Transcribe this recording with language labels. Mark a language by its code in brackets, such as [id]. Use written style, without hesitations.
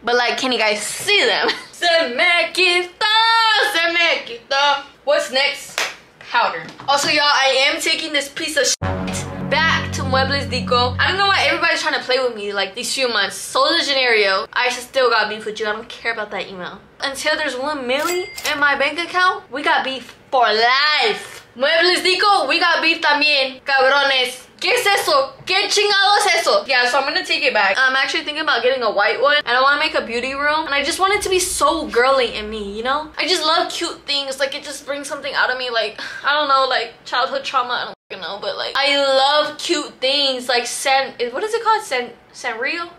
[en] But like, can you guys see them? [es] Se me quita, se me quita. [en] What's next? Powder. Also, y'all, I am taking this piece of shit back to Muebles Dico. I don't know why everybody's trying to play with me like these few months. Sol de Janeiro. I still got beef with you. I don't care about that email. Until there's 1 milli in my bank account, we got beef for life. Muebles Dico, we got beef [es] también, cabrones. ¿Qué es eso? ¿Qué chingado es eso? [en] Yeah, so I'm gonna take it back. I'm actually thinking about getting a white one. And I wanna make a beauty room. And I just want it to be so girly in me, you know? I just love cute things. Like, it just brings something out of me. Like, I don't know, like, childhood trauma. I don't know, but like, I love cute things. Like, what is it called? Sanrio?